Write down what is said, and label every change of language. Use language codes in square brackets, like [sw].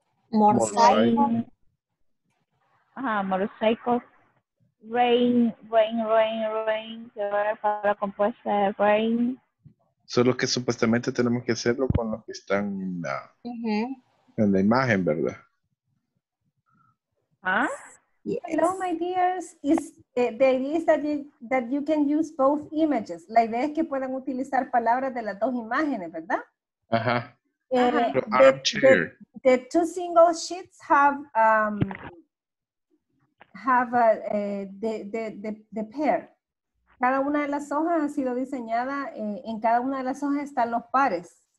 [en] Motorcycle. [es] Rain. ¿Qué era para compuesta de rain? Solo que supuestamente tenemos que hacerlo con los que están en la, uh-huh, en la imagen, ¿verdad? Huh? [en] Yes. Hello, my dears. Is the idea is that you can use both images. [es] La idea es que puedan utilizar palabras de las dos imágenes, ¿verdad? [en] Uh-huh. Armchair. The two single sheets have the pair. [es] Cada una de las hojas ha sido diseñada, en cada una de las hojas están los pares.